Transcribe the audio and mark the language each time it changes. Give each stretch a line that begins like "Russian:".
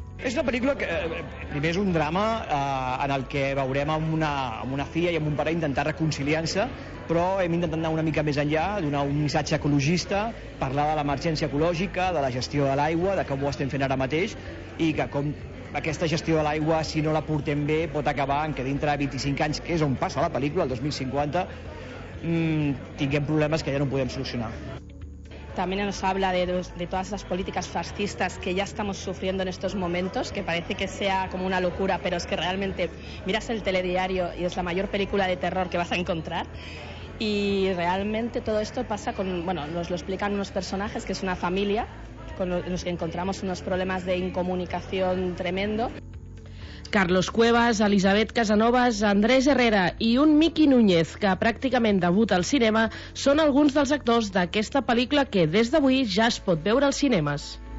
Catalan: És una pel·lícula que, primer, és un drama en el que veurem amb una filla i amb un pare intentar reconciliar-se, però hem intentat anar una mica més enllà, donar un missatge ecologista, parlar de l'emergència ecològica, de la gestió de l'aigua, de com ho estem fent ara mateix, i que com aquesta gestió de l'aigua, si no la portem bé, pot acabar en que dintre de 25 anys, que és on passa la pel·lícula, el 2050, tinguem problemes que ja no podem solucionar.
Spanish: también nos habla de todas las políticas fascistas que ya estamos sufriendo en estos momentos, que parece que sea como una locura, pero es que realmente miras el telediario y es la mayor película de terror que vas a encontrar. Y realmente todo esto pasa con, bueno, nos lo explican unos personajes, que es una familia, con los que encontramos unos problemas de incomunicación tremendo.
Catalan: Carlos Cuevas, Elisabet Casanovas, Andrés Herrera i un Miqui Núñez, que pràcticament debuta al cinema, són alguns dels actors d'aquesta pel·lícula que des d'avui ja es pot veure als cinemes.